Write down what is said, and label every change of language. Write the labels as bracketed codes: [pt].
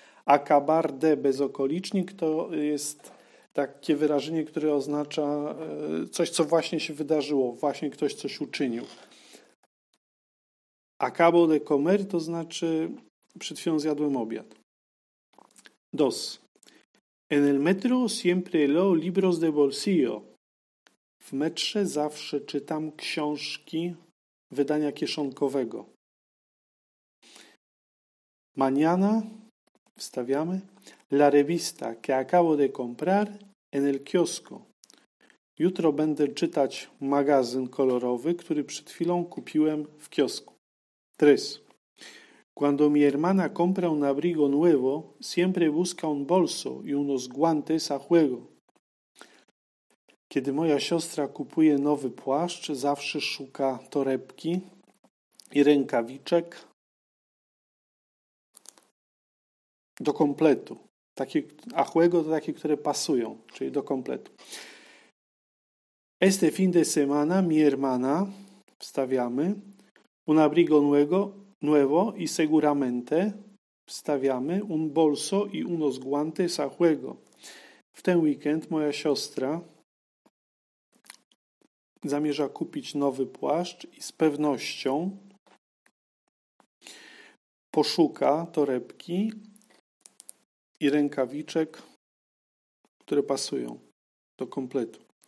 [es] Acabar de [pl] bezokolicznik to jest takie wyrażenie, które oznacza coś, co właśnie się wydarzyło, właśnie ktoś coś uczynił. [es] Acabo de comer [pl] to znaczy przed chwilą zjadłem obiad. [es] Dos. En el metro siempre leo libros de bolsillo. [pl] W metrze zawsze czytam książki wydania kieszonkowego. [es] Mañana [pl] wstawiamy [es] la revista que acabo de comprar en el kiosku. [pl] Jutro będę czytać magazyn kolorowy, który przed chwilą kupiłem w kiosku. [es] Tres. Cuando mi hermana compra un abrigo nuevo, siempre busca un bolso y unos guantes a juego. [pl] Kiedy moja siostra kupuje nowy płaszcz, zawsze szuka torebki i rękawiczek do kompletu. Takie, a juego to takie, które pasują, czyli do kompletu. [es] Este fin de semana mi hermana, [pl] wstawiamy, [es] un abrigo nuevo y seguramente, wstawiamy, un bolso y unos guantes a juego. [pl] W ten weekend moja siostra zamierza kupić nowy płaszcz i z pewnością poszuka torebki i rękawiczek, które pasują do kompletu.